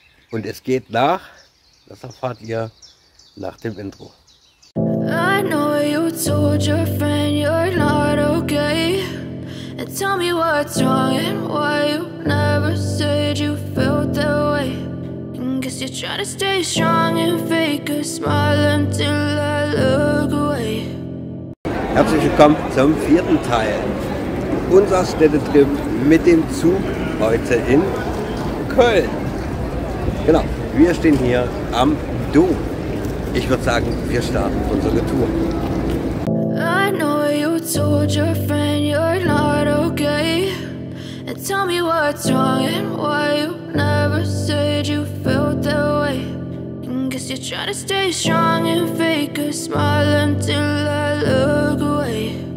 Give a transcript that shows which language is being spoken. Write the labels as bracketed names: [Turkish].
[German] Und es geht nach, das erfahrt ihr nach dem Intro. [English] I know you told your friend you're not okay. And tell me what's wrong and why you never said you felt that way. And guess you're trying to stay strong and fake a smile until I look away. [German] Herzlich willkommen zum vierten Teil. Unser Städtetrip mit dem Zug heute in Köln. Genau, wir stehen hier am Dom. Ich würde sagen, wir starten unsere Tour. [English] I know you told your friend you're not okay. And tell me what's wrong and why you never said you felt that way. And guess you're trying to stay strong and fake a smile until I look away.